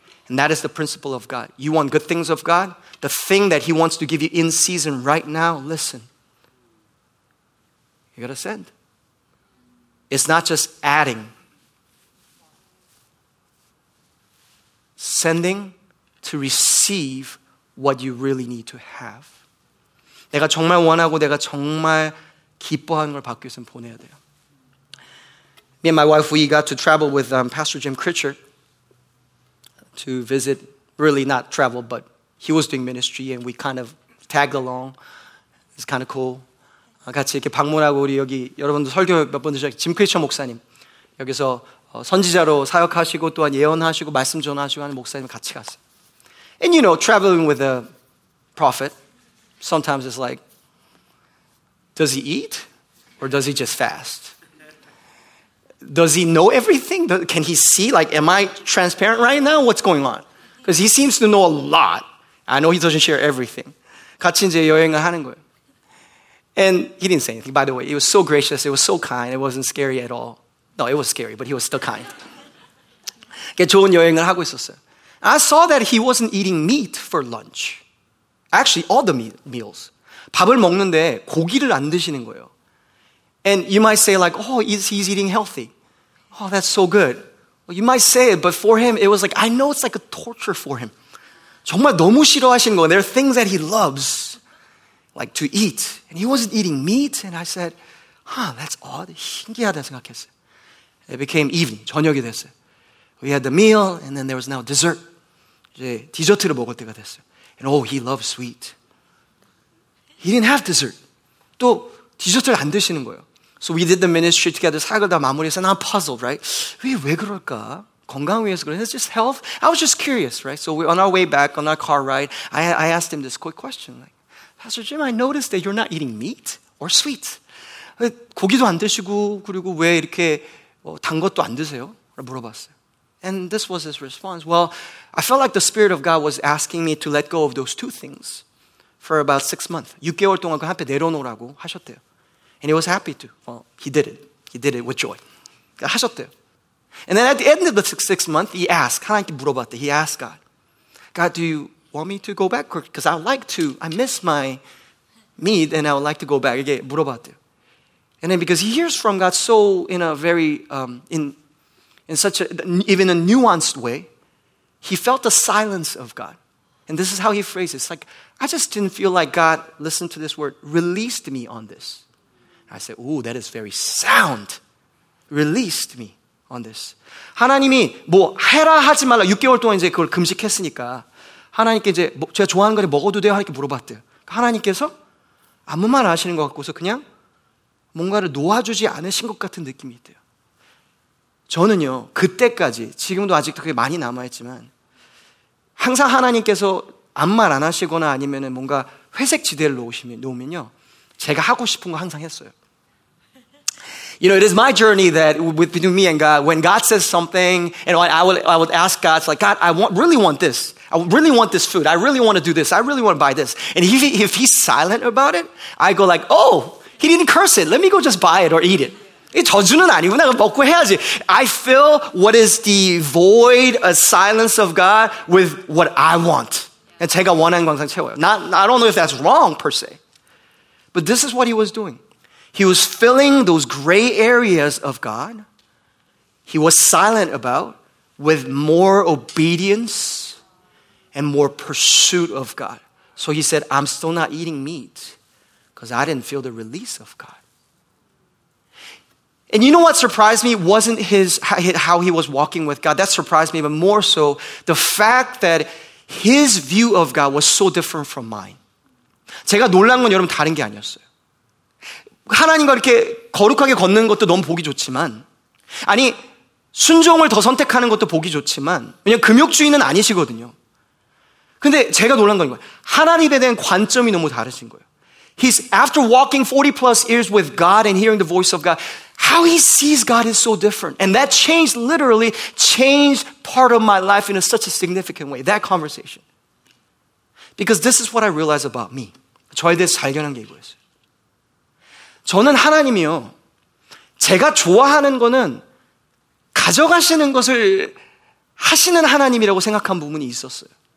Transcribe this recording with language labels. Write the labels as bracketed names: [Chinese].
[English] And that is the principle of God. You want good things of God? The thing that he wants to give you in season right now, listen. You gotta send. It's not just adding. Sending to receive what you really need to have. [Korean] 내가 정말 원하고 내가 정말 기뻐하는 걸 받기 위해서 보내야 돼요. [English] Me and my wife, we got to travel with Pastor Jim Critcher to visit, really not travel, but he was doing ministry and we kind of tagged along. It's kind of cool. [Korean] 같이 이렇게 방문하고 우리 여기 여러분도 설교 몇 번 드셨죠? 짐 크리처 목사님 여기서 선지자로 사역하시고 또한 예언하시고 말씀 전하시고 하는 목사님 같이 갔어요. [English] And you know, traveling with a prophet, sometimes it's like, does he eat or does he just fast? Does he know everything? Can he see? Like, am I transparent right now? What's going on? Because he seems to know a lot. I know he doesn't share everything. [Korean] 같이 이제 여행을 하는 거예요. [English] And he didn't say anything, by the way. It was so gracious. It was so kind. It wasn't scary at all. No, it was scary, but he was still kind. [Korean] 좋은 여행을 하고 있었어요. [English] I saw that he wasn't eating meat for lunch. Actually, all the meals. [Korean] 밥을 먹는데 고기를 안 드시는 거예요. [English] And you might say like, oh, he's eating healthy. Oh, that's so good. Well, you might say it, but for him, it was like, I know it's like a torture for him. [Korean] 정말 너무 싫어하시는 거예요. [English] There are things that he loves. like to eat. And he wasn't eating meat. And I said, huh, that's odd. [Korean] 신기하다 생각했어요. [English] It became evening. [Korean] 저녁이 됐어요. [English] We had the meal and then there was now dessert. [Korean] 이제 디저트를 먹을 때가 됐어요. [English] And oh, he loves sweet. He didn't have dessert. [Korean] 또 디저트를 안 드시는 거예요. [English] So we did the ministry together. [Korean] 사역을 다 마무리해서 [English] I'm puzzled, right? [Korean] 왜 그럴까? 건강 위해서 그래. [English] It's just health. I was just curious, right? So we, on our way back, on our car ride, I asked him this quick question. Like, Pastor Jim, I noticed that you're not eating meat or sweet. [Korean] 고기도 안 드시고 그리고 왜 이렇게 단 것도 안 드세요? 물어봤어요. [English] And this was his response. Well, I felt like the Spirit of God was asking me to let go of those two things for about 6 months. [Korean] 6개월 동안 그 한테 내려놓으라고 하셨대요. [English] And he was happy to. Well, he did it. He did it with joy. [Korean] 하셨대요. [English] And then at the end of the 6 months, he asked, [Korean] 하나님께 물어봤대. [English] He asked God, God, do you want me to go back? Because I would like to. I miss my meat and I would like to go back. [Korean] 이게 물어봤대요. [English] And then because he hears from God so in a very, in such a, even a nuanced way, he felt the silence of God. And this is how he phrased it. It's like, I just didn't feel like God, listened to this word, released me on this. I said, ooh, that is very sound. Released me on this. [Korean] 하나님이 뭐 해라 하지 말라. 6개월 동안 이제 그걸 금식했으니까. 하나님께 이제 제가 좋아하는 거를 먹어도 돼요? 하나님께 물어봤대요. 하나님께서 아무 말 안 하시는 것 같고서 그냥 뭔가를 놓아주지 않으신 것 같은 느낌이 있대요. 저는요, 그때까지, 지금도 아직도 그게 많이 남아있지만, 항상 하나님께서 아무 말 안 하시거나 아니면 뭔가 회색 지대를 놓으시면요, 제가 하고 싶은 거 항상 했어요. [English] You know, it is my journey that between me and God, when God says something, and I would ask God, it's like, God, I really want this. I really want this food. I really want to do this. I really want to buy this. And if he's silent about it, I go like, oh, he didn't curse it. Let me go just buy it or eat it. [Korean] 저주는 아니구나. 먹고 해야지. [English] I fill what is the void, a silence of God with what I want. [Korean] 제가 원하는 거 항상 채워요. [English] Not, I don't know if that's wrong per se. But this is what he was doing. He was filling those gray areas of God. He was silent about with more obedience and more pursuit of God. So he said, I'm still not eating meat because I didn't feel the release of God. And you know what surprised me wasn't his how he was walking with God. That surprised me, but more so the fact that his view of God was so different from mine. [Korean] 제가 놀란 건 여러분 다른 게 아니었어요. 하나님과 이렇게 거룩하게 걷는 것도 너무 보기 좋지만 아니 순종을 더 선택하는 것도 보기 좋지만 왜냐면 금욕주의는 아니시거든요. 근데 제가 놀란 건 이거예요. 하나님에 대한 관점이 너무 다르신 거예요. [English] He's after walking 40 plus years with God and hearing the voice of God, how he sees God is so different. And that changed, literally changed part of my life in a, such a significant way, that conversation. Because this is what I realized about me. [Korean] 저에 대해서 발견한 게 이거였어요. 저는 하나님이요, 제가 좋아하는 거는 가져가시는 것을 하시는 하나님이라고 생각한 부분이 있었어요.